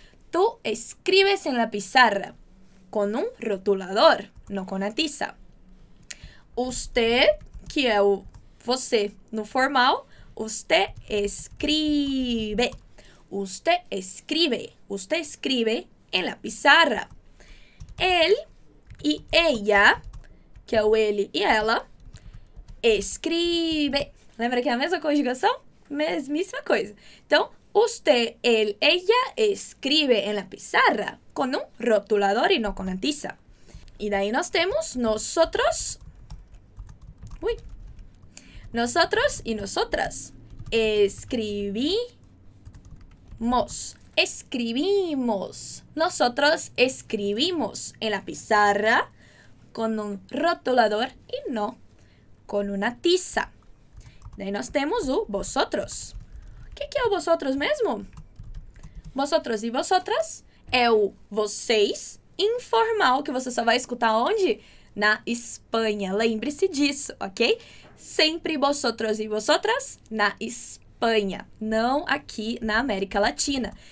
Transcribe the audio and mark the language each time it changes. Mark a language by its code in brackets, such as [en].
[es] Tú escribes en la pizarra, con un rotulador, no con la tiza. [pt] Usted, que é o você no formal, [es] usted escribe. Usted escribe. Usted escribe en la pizarra. Él y ella, [pt] que é o ele e ela, escribe. Lembra que é a mesma conjugação? Mesmíssima coisa. [es] Então, usted, él, ella, escribe en la pizarra con un rotulador y no con la tiza. [pt] E daí nós temos nosotros... Uy. [es] Nosotros y nosotras escribimos. Escribimos. Nosotros escribimos en la pizarra con un rotulador y no con una tiza. De ahí nos tenemos o vosotros. ¿Qué es vosotros mismo? Vosotros y vosotras [pt] es o vocês informal que você só vai escutar onde? Na Espanha, lembre-se disso, ok? Sempre vosotros e vosotras na Espanha, não aqui na América Latina.